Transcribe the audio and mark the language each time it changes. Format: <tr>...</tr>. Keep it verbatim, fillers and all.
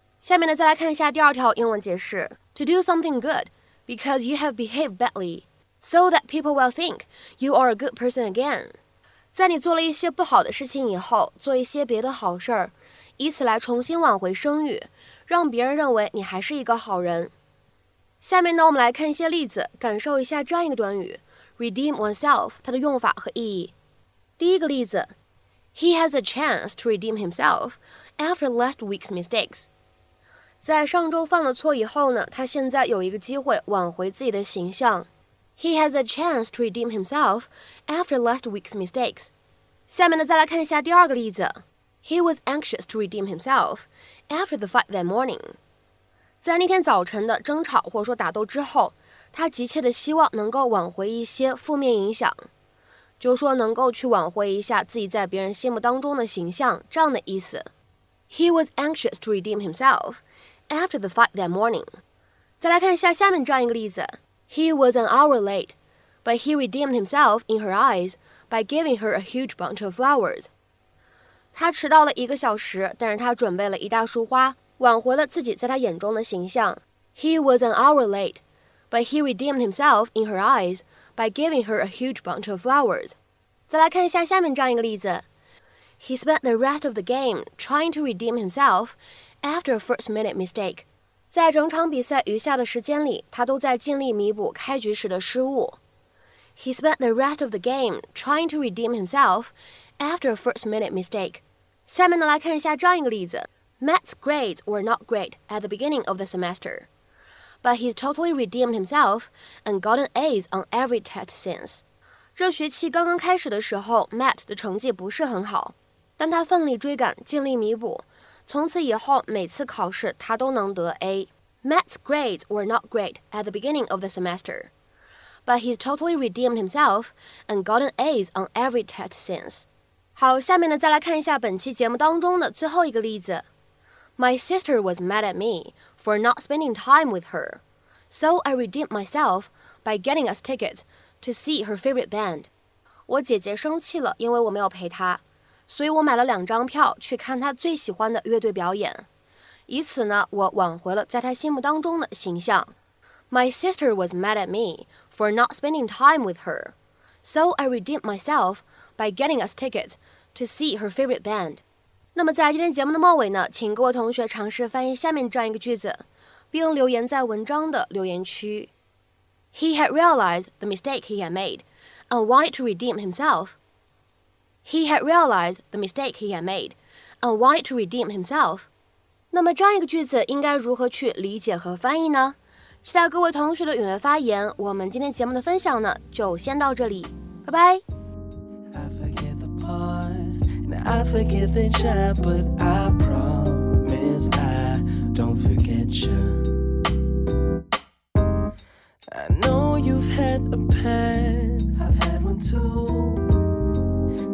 <zh>下面呢，再来看一下第二条英文解释</zh> <en>：To do something good because you have behaved badly, so that people will think you are a good person again.</en> <zh>在你做了一些不好的事情以后，做一些别的好事儿，以此来重新挽回声誉，让别人认为你还是一个好人。下面呢，我们来看一些例子，感受一下这样一个短语 ：redeem oneself 它的用法和意义。第一个例子。</zh> <en>He has a chance to redeem himself after last week's mistakes.</en> <zh>在上周犯了错以后呢，他现在有一个机会挽回自己的形象。</zh> <en>He has a chance to redeem himself after last week's mistakes.</en> <zh>下面呢，再来看一下第二个例子。</zh> <en>He was anxious to redeem himself after the fight that morning.</en> <zh>在那天早晨的争吵或者说打斗之后，他急切的希望能够挽回一些负面影响。就说能够去挽回一下自己在别人心目当中的形象，这样的意思。</zh> <en>He was anxious to redeem himself after the fight that morning.</en> <zh>再来看一下下面这样一个例子。</zh> <en>He was an hour late, but he redeemed himself in her eyes by giving her a huge bunch of flowers.</en> <zh>他迟到了一个小时，但是他准备了一大束花，挽回了自己在他眼中的形象。</zh> <en>He was an hour late, but he redeemed himself in her eyes. By giving her a huge bunch of flowers.</en> <zh>再来看一下下面这样一个例子。</zh> <en>He spent the rest of the game trying to redeem himself after a first-minute mistake.</en> <zh>在整场比赛余下的时间里，他都在尽力弥补开局时的失误。</zh> <en>He spent the rest of the game trying to redeem himself after a first-minute mistake.</en> <zh>下面呢，来看一下这样一个例子。</zh> <en>Matt's grades were not great at the beginning of the semester. But he's totally redeemed himself and gotten A's on every test since.</en> <zh>这学期刚刚开始的时候 ，Matt 的成绩不是很好，但他奋力追赶，尽力弥补。从此以后，每次考试他都能得 A。</zh> <en>Matt's grades were not great at the beginning of the semester, but he's totally redeemed himself and gotten A's on every test since.</en> <zh>好，下面呢，再来看一下本期节目当中的最后一个例子。</zh> <en>My sister was mad at me for not spending time with her, so I redeemed myself by getting us tickets to see her favorite band.</en> <zh>我姐姐生气了，因为我没有陪她，所以我买了两张票去看她最喜欢的乐队表演。以此呢，我挽回了在她心目当中的形象。</zh> <en>My sister was mad at me for not spending time with her, so I redeemed myself by getting us tickets to see her favorite band.</en> <zh>那么在今天节目的末尾呢，请各位同学尝试翻译下面这样一个句子，并留言在文章的留言区。</zh> <en>He had realized the mistake he had made and wanted to redeem himself. He had realized the mistake he had made and wanted to redeem himself.</en> <zh>那么这样一个句子应该如何去理解和翻译呢？期待各位同学的踊跃发言。我们今天节目的分享呢，就先到这里。拜拜。</zh> <en>I forget the part and I forget the chat, but I promise I don't forget you. I know you've had a past, I've had one too.</en>